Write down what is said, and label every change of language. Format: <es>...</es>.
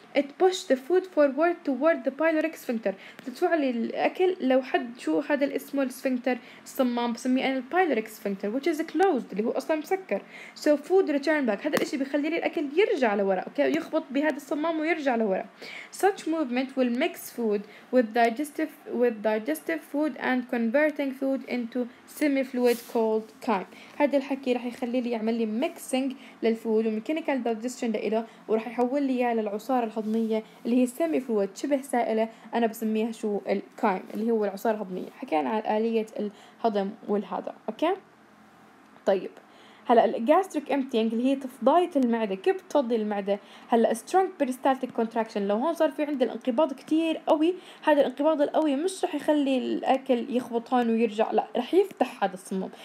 <en>It push the food forward toward the pyloric sphincter،</en> <ar>تدفع لي الأكل لو حد شو هذا الاسم السفنكتر الصمام بسميه أنا pyloric sphincter</ar> <en>which is closed</en> <ar>اللي هو أصلا مسكر.</ar> <en>So food return back،</en> <ar>هذا الاشي بيخلي لي الأكل يرجع لورا، أوكي، يخبط بهذا الصمام ويرجع لورا.</ar> <en>Such movement will mix food with digestive food and converting food into semi-fluid called chyme.</en> <ar>هذا الحكي رح يخلي لي يعمل لي mixing للفود وميكانيكال digestion لإله، ورح يحول لي للعصارة الهضمية اللي هي سيمي فلويد شبه سائلة، أنا بسميها شو الكايم اللي هو العصارة الهضمية. حكينا عن آلية الهضم والهذا، أوكي؟ طيب هلا الجاستريك امتينج اللي هي تفضاية المعدة، كيف بتفضي المعدة؟ هلا سترونج بيريستالتيك كونتراكشن، لو هون صار في عندي الانقباض كتير قوي، هذا الانقباض القوي مش رح يخلي الاكل يخبط هون ويرجع، لا، رح يفتح هذا الصمام.</ar>